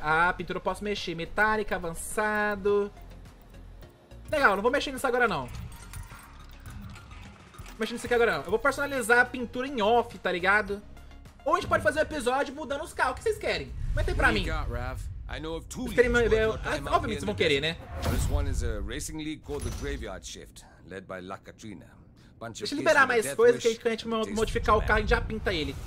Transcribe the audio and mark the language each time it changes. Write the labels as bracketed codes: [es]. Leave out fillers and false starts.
[pt] Ah, pintura eu posso mexer. Metálica, avançado. Legal, não vou mexer nisso agora, não. Eu vou personalizar a pintura em off, tá ligado? Ou a gente pode fazer um episódio mudando os carros. O que vocês querem? Comenta aí pra mim. Obviamente vocês vão querer, né? [en] This one is a racing league called the Graveyard Shift, led by La Katrina. [pt] Deixa eu liberar mais coisas que a gente quer modificar o carro e já pinta ele.